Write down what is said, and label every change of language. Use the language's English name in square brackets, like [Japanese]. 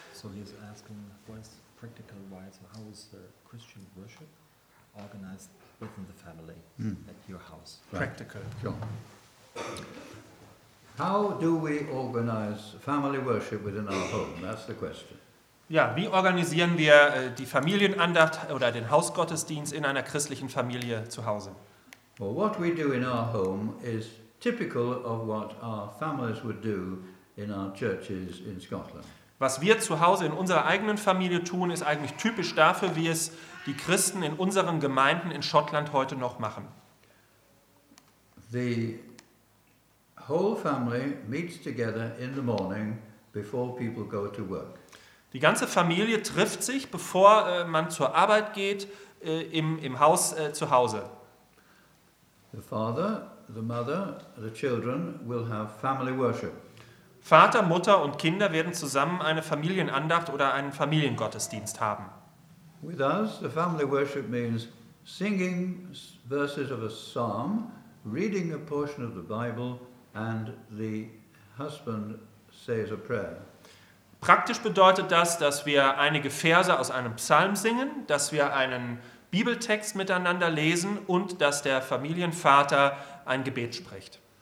[English] So he's asking, what's practical wise, how is the Christian worship organized within the family at your house? Right. Practical. Sure. How do we organize family worship within our home? That's the question. [German] Ja, wie organisieren wir die Familienandacht oder den Hausgottesdienst in einer christlichen Familie zu Hause? [English] Well, what we do in our home is typical of what our families would do in our churches in Scotland. [German] Was wir zu Hause in unserer eigenen Familie tun, ist eigentlich typisch dafür, wie es die Christen in unseren Gemeinden in Schottland heute noch machen. [English] The whole family meets together in the morning before people go to work. [German] Die ganze Familie trifft sich, bevor man zur Arbeit geht, im Haus zu Hause. [English] The father, the mother, the children will have family worship. [German] Vater, Mutter und Kinder werden zusammen eine Familienandacht oder einen Familiengottesdienst haben. [English] With us, the family worship means singing verses of a psalm, reading a portion of the Bible, and the husband says a prayer. [German] Praktisch bedeutet das, dass wir einige Verse aus einem Psalm singen, dass wir einen Bibeltext miteinander lesen und dass der Familienvater ein Gebet spricht.